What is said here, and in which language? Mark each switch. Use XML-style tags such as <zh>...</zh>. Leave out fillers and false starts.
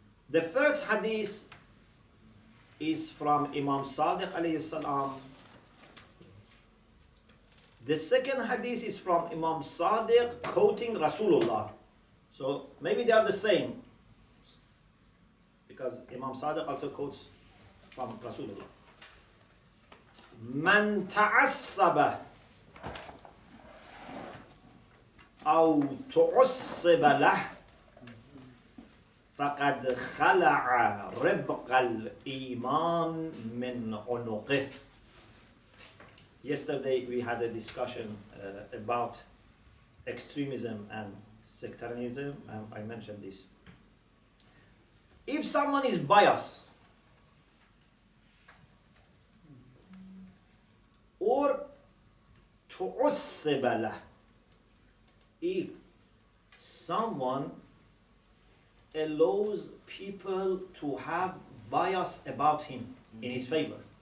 <en>The first hadith is from Imam Sadiq alayhi salam. The second hadith is from Imam Sadiq quoting Rasulullah. So maybe they are the same, because Imam Sadiq also quotes from Rasulullah.</en> <ar>Man ta'assaba أو تعصب له فقد خلع ربق الإيمان من عنقه.</ar> <en>Yesterday we had a discussion about extremism and sectarianism, and I mentioned this. If someone is biased or</en> <ar>تعصب له,</ar> <en>if someone allows people to have bias about him in his favor.</en>